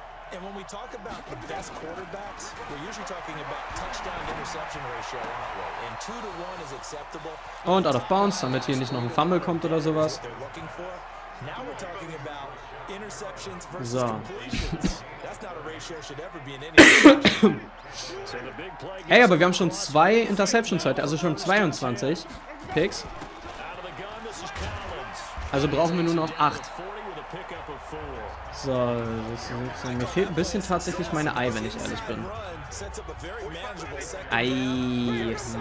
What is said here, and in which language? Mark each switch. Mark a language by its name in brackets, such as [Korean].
[English] And when we talk about the best quarterbacks, we're usually talking about touchdown-interception ratio, aren't we? And 2-1 is acceptable. [German] Und out of bounds, damit hier nicht noch ein Fumble kommt oder sowas. [English] Now we're talking about interceptions versus completions. That's not a ratio should ever be in any. [German] Hey, aber wir haben schon 2 Interceptions heute, also schon 22 Picks. Also brauchen wir nur noch 8. So, mir fehlt ein bisschen tatsächlich meine Ei, wenn ich ehrlich bin. Ei, nee.